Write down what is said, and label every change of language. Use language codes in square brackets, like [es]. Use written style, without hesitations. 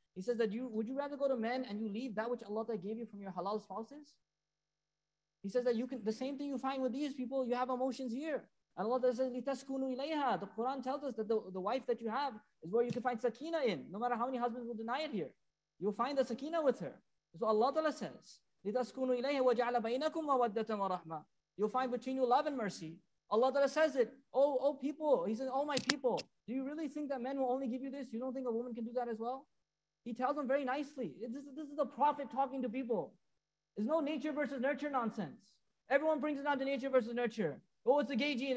[en] He says that, would you rather go to men and you leave that which Allah Ta'ala gave you from your halal spouses? He says that you can, the same thing you find with these people, you have emotions here. And Allah Ta'ala says, [ar] لِتَسْكُنُوا إِلَيْهَا. [en] The Quran tells us that the wife that you have is where you can find sakina in, no matter how many husbands will deny it here. You'll find the sakina with her. So Allah Ta'ala says, [ar] لِتَسْكُنُوا إِلَيْهَا وَجَعَلَ بَيْنَكُمْ مَوَدَّةً وَرَحْمَةً. [en] You'll find between you love and mercy. Allah Ta'ala says it, oh people, he says, oh my people, do you really think that men will only give you this? You don't think a woman can do that as well? He tells them very nicely. This is the prophet talking to people. There's no nature versus nurture nonsense. Everyone brings it down to nature versus nurture. Oh, it's a gay gene.